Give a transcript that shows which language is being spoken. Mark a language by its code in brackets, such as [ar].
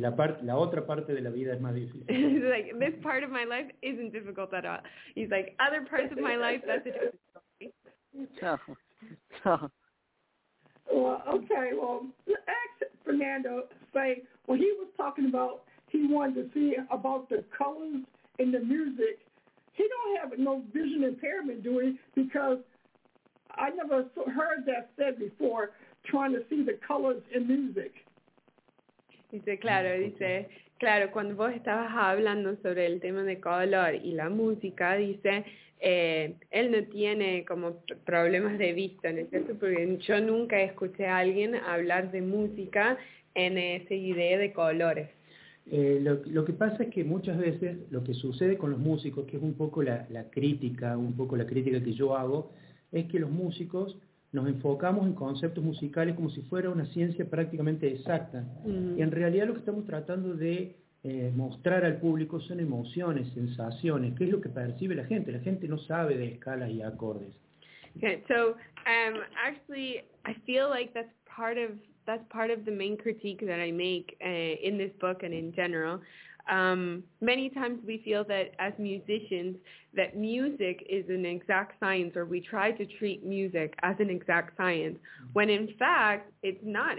[es] La otra parte de la vida es más difícil. [en] Like, this part of my life isn't difficult at all. He's like, other parts of my life, that's a difficult thing. No. Well, okay, well, ask Fernando, say, when he was talking about, he wanted to see about the colors and the music, he don't have no vision impairment, do he? Because I never heard that said before, trying to see the colors in music. [es] Dice, claro, cuando vos estabas hablando sobre el tema de color y la música, dice, él no tiene como problemas de vista, ¿no es cierto? Porque yo nunca escuché a alguien hablar de música en ese idea de colores. Lo que pasa es que muchas veces lo que sucede con los músicos, que es un poco la crítica que yo hago, es que los músicos nos enfocamos en conceptos musicales como si fuera una ciencia prácticamente exacta. Mm-hmm. Y en realidad lo que estamos tratando de mostrar al público son emociones, sensaciones, qué es lo que percibe la gente. La gente no sabe de escalas y acordes. [en] Okay, so actually, I feel like that's part of the main critique that I make in this book and in general. Many times we feel that as musicians that music is an exact science, or we try to treat music as an exact science, when in fact it's not.